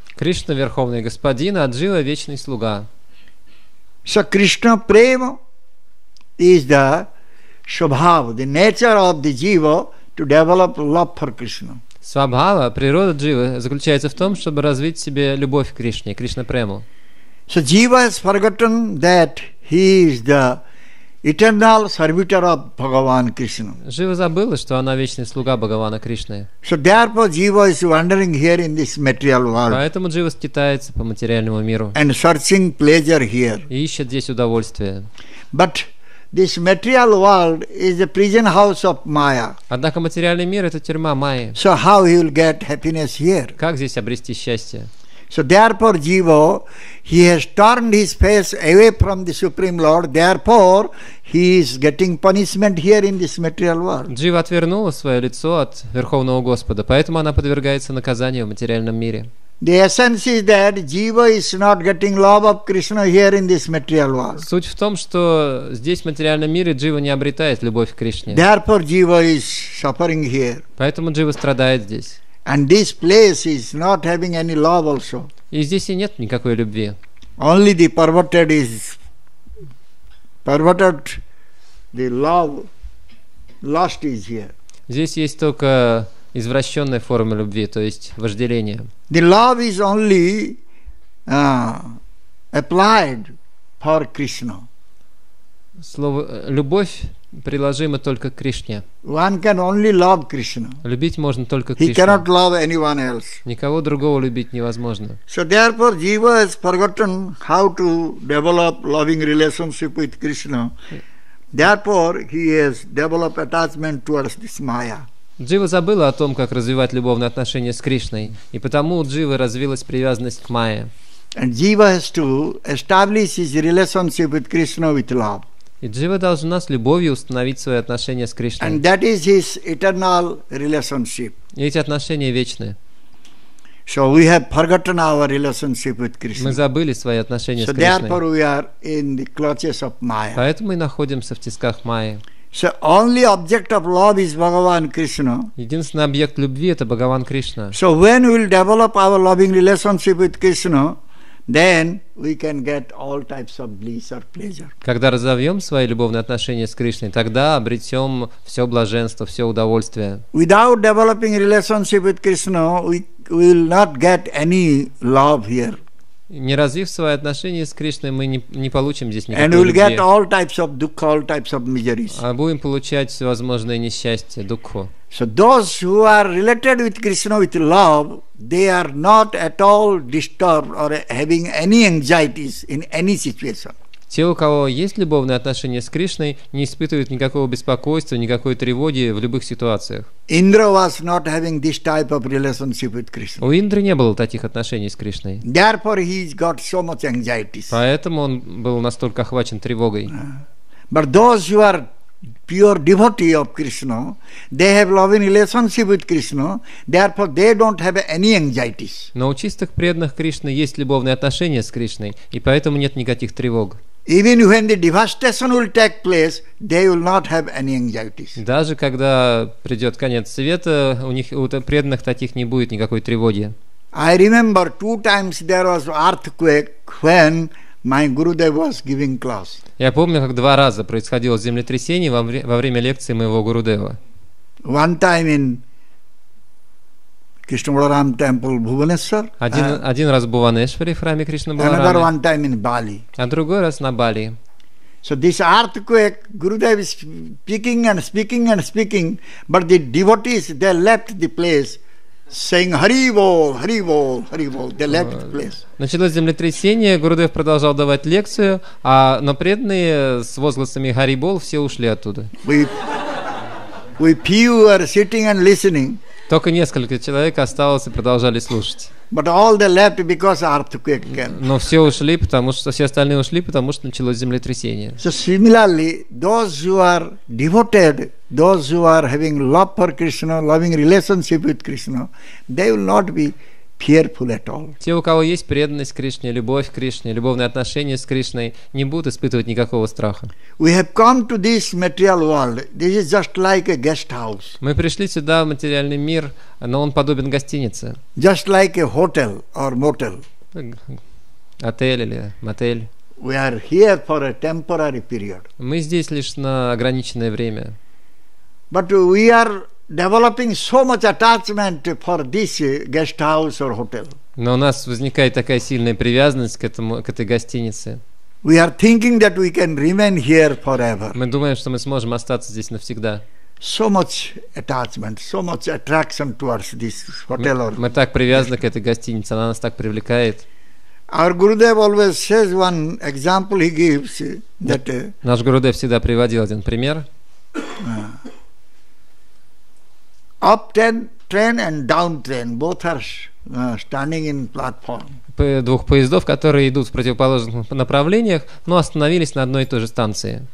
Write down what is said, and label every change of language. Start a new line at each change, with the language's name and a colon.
Russian: Кришна – Верховный Господин, а Джива – Вечный Слуга.
English: So Krishna prema is the swabhava, the nature of the Jiva to develop love for Krishna.
Russian: Свабхава, природа Дживы заключается в том, чтобы развить в себе любовь к Кришне, Кришна прему.
English: So Jiva has forgotten that he is the Eternal servitor of Bhagavan Krishna.
Russian: Жива забыла, что она вечный слуга Бхагавана Кришны.
English: So therefore Jiva is wandering here in this material world.
Russian: Поэтому Джива скитается по материальному миру.
English: And searching pleasure here.
Russian: И ищет здесь удовольствие.
English: But this material world is a prison house of Maya.
Russian: Однако материальный мир – это тюрьма Майи.
English: So how he will get happiness here?
Russian: Как здесь обрести счастье?
English: So therefore, Jiva, he has turned his face away from the Supreme Lord. Therefore, he is getting punishment here in this material world.
Russian: Jiva отвернула свое лицо от Верховного Господа, поэтому она подвергается наказанию в материальном мире.
English: The essence is that Jiva is not getting love of Krishna here in this material world.
Russian: Суть в том, что здесь, в материальном мире, Джива не обретает любовь к Кришне.
English: Therefore, Jiva is suffering here.
Russian: Поэтому Джива страдает здесь.
English: And this place is not having any love also.
Russian: И здесь и нет никакой любви.
English: Only the perverted is perverted. The love lust is here.
Russian: Здесь есть только извращенная форма любви, то есть вожделение.
English: The love is only applied for Krishna.
Russian: Слово любовь приложимы только к Кришне.
English: One can only love Krishna.
Russian: Любить можно только
English: Кришну. He cannot love anyone else.
Russian: Никого другого любить невозможно.
English: So therefore, Jiva has forgotten how to develop loving relationship with Krishna. Therefore, he has developed attachment towards this Maya.
Russian: Джива забыла о том, как развивать любовные отношения с Кришной, и потому у Дживы развилась привязанность к Майе.
English: And Jiva has to establish his relationship with Krishna with love.
Russian: И Джива должна с любовью установить свои отношения с Кришной.
English: And that is his eternal relationship.
Russian: И эти отношения вечны.
English: So we have forgotten our relationship with Krishna.
Russian: Мы забыли свои отношения
English: so
Russian: с Кришной.
English: Therefore we are in the clutches of Maya.
Russian: Поэтому мы находимся в тисках Майи.
English: So only object of love is Bhagavan Krishna.
Russian: Единственный объект любви – это Бхагаван Кришна.
English: So when we will develop our loving relationship with Krishna, then we can get all types of bliss or pleasure.
Russian: Когда разовьем свои любовные отношения с Кришной, тогда обретем все блаженство, все удовольствие.
English: Without developing relationship with Krishna, we will not get any love here.
Russian: Не развив свои отношения с Кришной, мы не получим здесь никакой любви.
English: And we'll get all types of dukkha, all types of miseries.
Russian: А будем получать всевозможные несчастья, дукху.
English: So those who are related with Krishna with love, they are not at all disturbed or having any anxieties in any situation.
Russian: Те, у кого есть любовные отношения с Кришной, не испытывают никакого беспокойства, никакой тревоги в любых ситуациях.
English: Indra was not having this type of relationship with Krishna.
Russian: У Индры не было таких отношений с Кришной.
English: Therefore he got so much anxieties.
Russian: Поэтому он был настолько охвачен тревогой.
English: But those who are pure devotee of Krishna, they have loving relationship with Krishna, therefore they don't have any anxieties.
Russian: Но у чистых преданных Кришны есть любовные отношения с Кришной, и поэтому нет никаких тревог.
English: Even when the devastation will take place, they will not have any anxieties.
Russian: Даже когда придет конец света, у них, у преданных таких не будет никакой тревоги.
English: I remember two times there was earthquake when my Gurudev was giving class.
Russian: Я помню, как два раза происходило землетрясение во время лекции моего Гурудева.
English: One time in Krishnamuram temple, Bhubaneswar.
Russian: Один раз в Бхуванешвари, в храме Кришнабаларамы.
English: Another one time in Bali.
Russian: А другой раз на Бали.
English: So this earthquake, Gurudev is speaking and speaking and speaking, but the devotees, they left the place, saying Hari Bol, Hari Bol, Hari Bol. They left the place.
Russian: Началось землетрясение, Гурудев продолжал давать лекцию, а но преданные с возгласами Hari Bol все ушли оттуда.
English: We few are sitting and listening.
Russian: Только несколько человек осталось и продолжали слушать.
English: But all they left because earthquake came.
Russian: Но все ушли, потому что все остальные ушли, потому что началось землетрясение.
English: So similarly, those who are devoted, those who are having love for Krishna, loving relationship with Krishna, they will not be fearful at all.
Russian: Те, у кого есть преданность Кришне, любовь к Кришне, любовные отношения с Кришной, не будут испытывать никакого страха.
English: We have come to this material world. This is just like a guest house.
Russian: Мы пришли сюда в материальный мир, но он подобен гостинице.
English: Just like a hotel or motel.
Russian: Отель или мотель.
English: We are here for a temporary period.
Russian: Мы здесь лишь на ограниченное время.
English: But we are developing so much attachment for this guest house or hotel.
Russian: Но у нас возникает такая сильная привязанность к этому, к этой гостинице.
English: We are thinking that we can remain here forever.
Russian: Мы думаем, что мы сможем остаться здесь навсегда.
English: So much attachment, so much attraction towards this hotel or.
Russian: Мы так привязаны к этой гостинице, она нас так привлекает.
English: Our Gurudev always says one example he gives that.
Russian: Наш Гурудев всегда приводил один пример.
English: Up train, train and down train, both are standing in platform.
Russian: Двух поездов, которые идут в противоположных направлениях, но остановились на одной и той же станции.